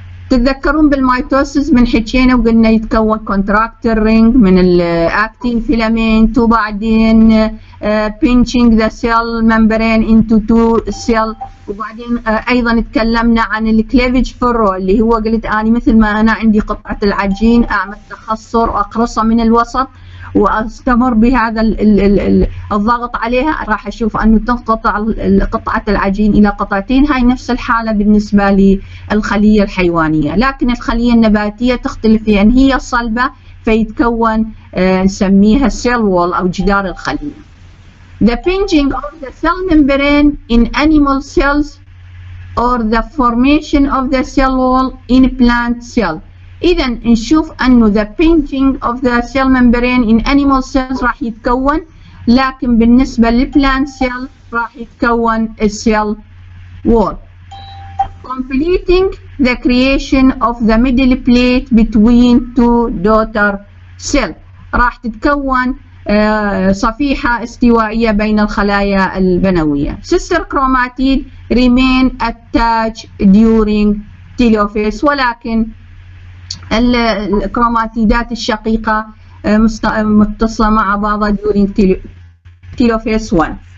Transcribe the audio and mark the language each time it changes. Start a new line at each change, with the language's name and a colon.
Arabic: تتذكرون بالمايتوسيس من حكينا وقلنا يتكون كونتراكتر رينج من الاكتين فيلامنت، وبعدين
English: pinching the cell membrane into two cell،
Arabic: وبعدين ايضا تكلمنا عن الكليفج فرو اللي هو قلت اني مثل ما انا عندي قطعه العجين اعمل تخصر واقرصها من الوسط واستمر بهذا الضغط عليها، راح اشوف انه تنقطع قطعه العجين الى قطعتين. هاي نفس الحاله بالنسبه للخليه الحيوانيه، لكن الخليه النباتيه تختلف، لان يعني هي صلبه فيتكون نسميها سيل وول او جدار الخليه.
English: The pinching of the cell membrane in animal cells or the formation of the cell wall in plant cell.
Arabic: إذا نشوف أنه
English: the pinching of the cell membrane in animal cells
Arabic: راح يتكون، لكن بالنسبة
English: للplant cell
Arabic: راح يتكون
English: a cell wall. Completing the creation of the middle plate between two daughter cells.
Arabic: راح تتكون صفيحة استوائية بين الخلايا البنوية.
English: Sister chromatid remain attached during telophase،
Arabic: ولكن الكروماتيدات الشقيقة متصلة مع بعضها
English: during telophase 1.